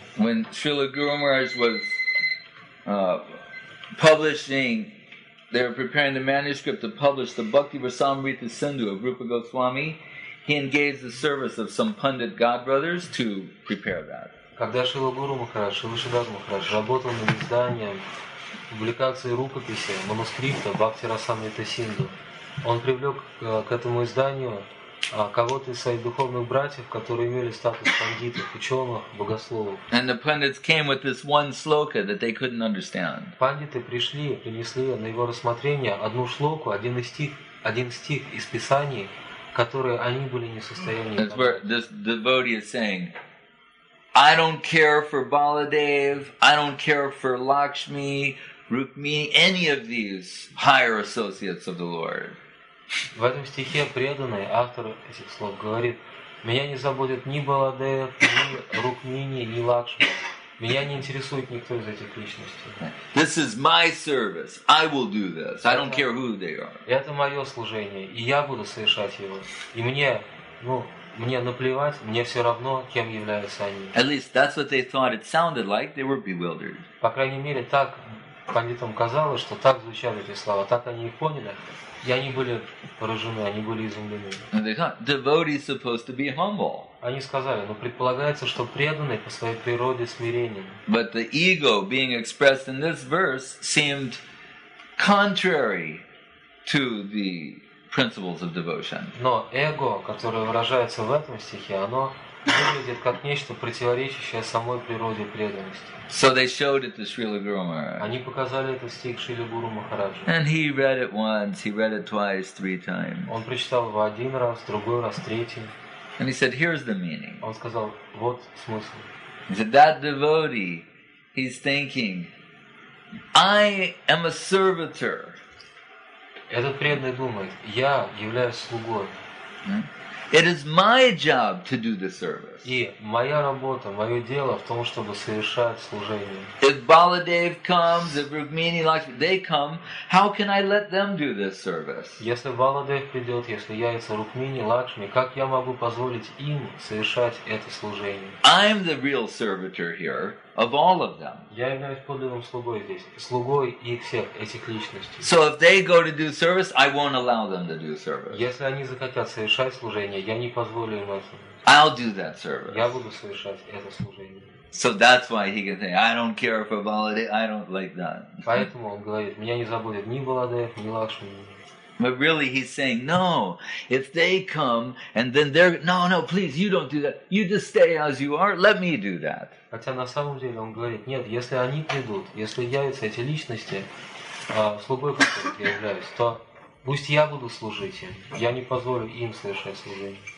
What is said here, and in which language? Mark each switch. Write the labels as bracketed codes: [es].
[en] When Srila Guru Maharaj was publishing, they were preparing the manuscript to publish the Bhakti Rasamrita Sindhu of Rupa Goswami, he engaged the service of some Pandit godbrothers to prepare that. [ru] Когда Шрила Гуру Махарадж, Шрила Шридхар Махарадж работал над изданием публикации рукописи, манускрипта Бхакти Расамрита Синдху, он привлек к этому изданию кого-то из своих духовных братьев, которые имели статус пандитов, ученых, богословов. [en] And the pundits came with this one sloka that they couldn't understand. [ru] Пандиты пришли, принесли на его рассмотрение одну шлоку, один стих из Писаний, который они были не в состоянии. [en] That's where this devotee is saying, I don't care for Baladev, I don't care for Lakshmi, Rukmini, any of these higher associates of the Lord. [ru] В этом стихе преданный автор этих слов говорит: меня не заботит ни Баладев, ни Рукмини, ни Лакшми. Меня не интересует никто из этих личностей. [en] This is my service. I will do this. I don't care who they are. [ru] Это мое служение, и я буду совершать его. И мне, ну, мне наплевать, мне все равно, кем являются они. [en] At least that's what they thought it sounded like. They were bewildered. [ru] По крайней мере, так пандитам казалось, что так звучали эти слова, так они их поняли. И они были поражены, они были изумлены. [en] And they thought, devotee is supposed to be humble. [ru] Они сказали, но предполагается, что преданный по своей природе смиренен. [en] But the ego being expressed in this verse seemed contrary to the principles of devotion. [ru] Но эго, которое выражается в этом стихе, оно выглядит как нечто противоречащее самой природе преданности. [en] So they showed it to Srila Guru Maharaj. [ru] Они показали этот стих Шриле Гуру Махараджу. [en] And he read it once, he read it twice, three times. [ru] Он прочитал его один раз, другой раз, третий. [en] And he said, "Here's the meaning." [ru] Он сказал, вот смысл. [en] He said, "That devotee, he's thinking, I am a servitor." [ru] Этот преданный думает, я являюсь слугой. [en] It is my job to do the service. [ru] И моя работа, мое дело в том, чтобы совершать служение. [en] If Baladev comes, if Rukmini, Lakshmi, they come, how can I let them do this service? [ru] Если Баладев придет, если явится Рукмини, Лакшми, как я могу позволить им совершать это служение? [en] I'm the real servitor here of all of them. [ru] Я являюсь подлинным слугой здесь, слугой их всех этих личностей. [en] So if they go to do service, I won't allow them to do service. [ru] Если они захотят совершать служение, я не позволю им это. [en] I'll do that service. [ru] Я буду совершать это служение. [en] So that's why he can say, I don't care for Baladev, I don't like that. [ru] Поэтому он говорит, меня не заботит ни Баладев, ни Лакшми. [en] But really he's saying, no, if they come and then they're, no, please, you don't do that. You just stay as you are, let me do that. [ru] Хотя на самом деле он говорит, нет, если они придут, если явятся эти личности, слугой, которых я являюсь, то пусть я буду служить им, я не позволю им совершать служение.